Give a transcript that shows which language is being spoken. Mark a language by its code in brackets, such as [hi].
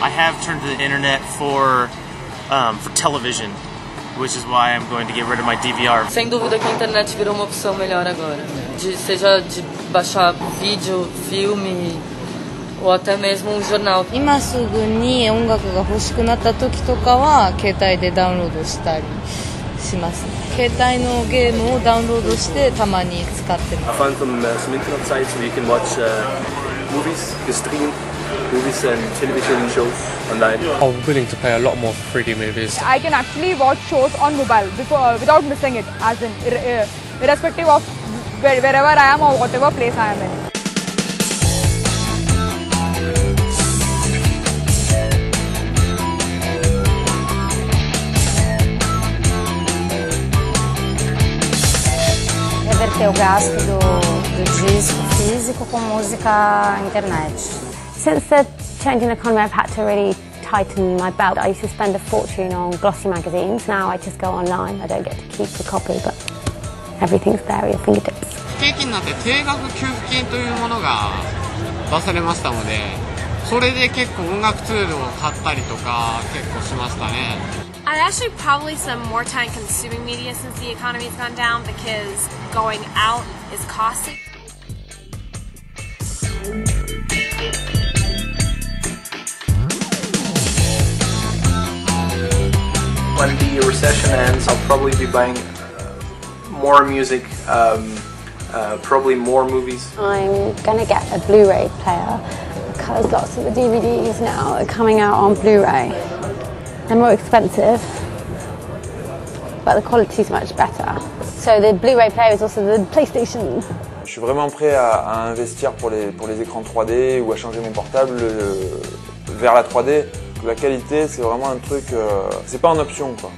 [en] I have turned to the internet for television, which is why I'm going to get rid of my DVR. [pt] Sem dúvida que a internet virou uma opção melhor agora, seja de baixar vídeo, filme ou até mesmo jornal. [ja] 今すぐに音楽が欲しくなった時とかは携帯でダウンロードしたりします。携帯のゲームをダウンロードしてたまに使ってます。 [en] I found some internet sites where you can watch movies, stream. Movies and television shows online. I'm willing to pay a lot more for 3D movies. I can actually watch shows on mobile before, without missing it, as in irrespective of wherever I am or whatever place I am in. [pt] Reverter o gasto do disco físico com música internet. [en] Since the change in economy, I've had to really tighten my belt. I used to spend a fortune on glossy magazines. Now I just go online. I don't get to keep the copy, but everything's there at your fingertips. [ja] 非正規になって定額給付金というものが出されましたので、それで結構音楽ツールを買ったりとか結構しましたね。 [en] I actually probably spend more time consuming media since the economy's gone down because going out is costly. When the recession ends, I'll probably be buying more music, probably more movies. I'm gonna get a Blu-ray player because lots of the DVDs now are coming out on Blu-ray. They're more expensive, but the quality is much better. So the Blu-ray player is also the PlayStation. [fr] Je suis vraiment prêt à investir pour les écrans 3D ou à changer mon portable vers la 3D. La qualité, c'est vraiment un truc, c'est pas une option quoi.